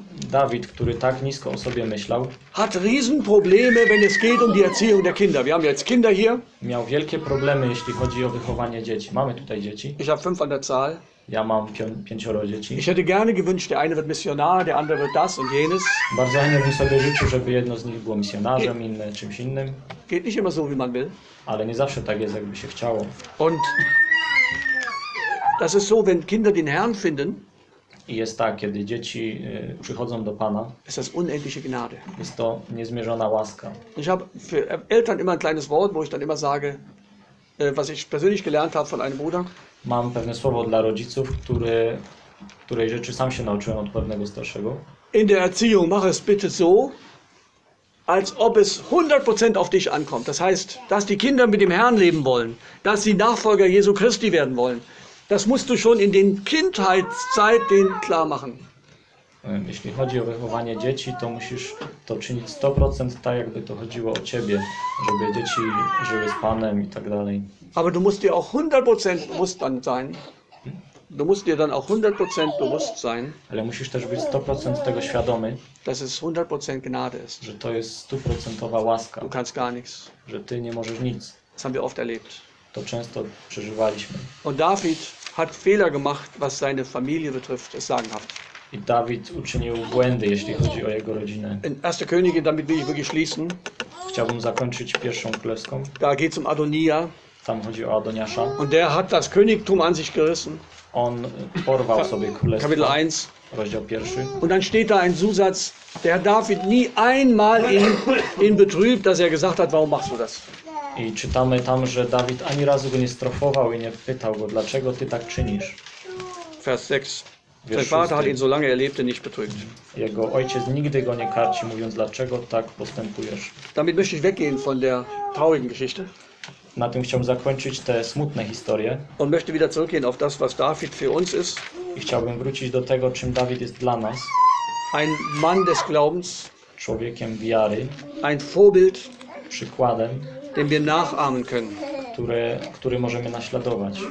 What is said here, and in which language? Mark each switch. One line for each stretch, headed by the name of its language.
Polish: Dawid, który tak nisko o sobie myślał,
German: hat Riesenprobleme, wenn es geht um die Erziehung der Kinder. Wir haben jetzt Kinder hier.
Polish: Miał wielkie problemy, jeśli chodzi o wychowanie dzieci. Mamy tutaj dzieci.
German: Ich habe 5 an der Zahl.
Polish: Ja mam 5 dzieci.
German: Ich hätte gerne gewünscht, der eine wird Missionar, der andere wird das und jenes.
Polish: Bardzo chętnie bym sobie życzył, żeby jedno z nich było misjonarzem, inne czymś innym.
German: Geht nicht immer so, wie man will.
Polish: Ale nie zawsze tak jest, jakby się chciało.
German: Und das ist so, wenn Kinder den Herrn finden.
Polish: I jest tak, kiedy dzieci przychodzą do Pana.
German: Es ist unendliche Gnade.
Polish: Jest to niezmierzona łaska.
German: Ich habe für Eltern immer ein kleines Wort, wo ich dann immer sage, was ich persönlich gelernt habe von einem Bruder.
Polish: Mam pewne słowo dla rodziców, której rzeczy sam się nauczyłem od pewnego starszego.
German: In der Erziehung mach es bitte so, als ob es 100% auf dich ankommt. Das heißt, dass die Kinder mit dem Herrn leben wollen, dass sie Nachfolger Jesu Christi werden wollen. Das musst du schon in den Kindheitszeit den klar machen.
Polish: Jeśli chodzi o wychowanie dzieci, to musisz to czynić 100% tak, jakby to chodziło o ciebie, żeby dzieci żyły z Panem i tak dalej.
German: Aber du musst dir auch 100% bewusst sein. Du musst dir dann auch 100% bewusst sein.
Polish: Ale musisz też być 100% tego świadomy.
German: Dass es 100% Gnade ist.
Polish: Że to jest 100% łaska.
German: Du kannst gar nichts.
Polish: Że ty nie możesz nic.
German: Das haben wir oft erlebt.
Polish: To często przeżywaliśmy.
German: Und David hat Fehler gemacht, was seine Familie betrifft, ist sagenhaft.
Polish: I Dawid uczynił błędy, jeśli chodzi o jego rodzinę.
German: In 1. Könige, damit will ich wirklich schließen.
Polish: Chciałbym zakończyć pierwszą Królewską.
German: Da geht's um Adonija.
Polish: Tam chodzi o Adoniasza.
German: Und der hat das Königtum an sich gerissen.
Polish: On porwał sobie Królestwo.
German: Kapitel 1.
Polish: Rozdział 1.
German: Und dann steht da ein Zusatz, der David nie einmal ihn betrübt, dass er gesagt hat, warum machst du das?
Polish: I czytamy tam, że Dawid ani razu go nie strofował i nie pytał go, dlaczego ty tak czynisz.
German: Vers 6. Sein Vater hat ihn so lange erlebte nicht betrübt.
Polish: Jego ojciec nigdy go nie karci, mówiąc, dlaczego tak postępujesz.
German: Damit möchte ich weggehen von der traurigen Geschichte.
Polish: Na tym chciałbym zakończyć te smutne historie.
German: Und möchte wieder zurückgehen auf das, was David für uns ist.
Polish: I chciałbym wrócić do tego, czym Dawid jest dla nas.
German: Ein Mann des Glaubens.
Polish: Człowiekiem wiary.
German: Ein Vorbild.
Polish: Przykładem.
German: Den wir nachahmen können.
Polish: Który możemy naśladować.